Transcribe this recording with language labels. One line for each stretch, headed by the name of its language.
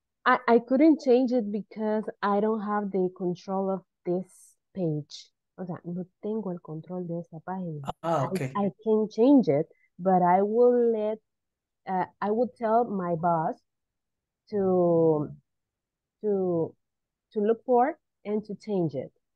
English: I couldn't change it because I don't have the control of this page.
Spanish: O sea, no tengo el control de esta página.
English: Ah, okay. I can change it, but I will let I would tell my boss to look for and to change it.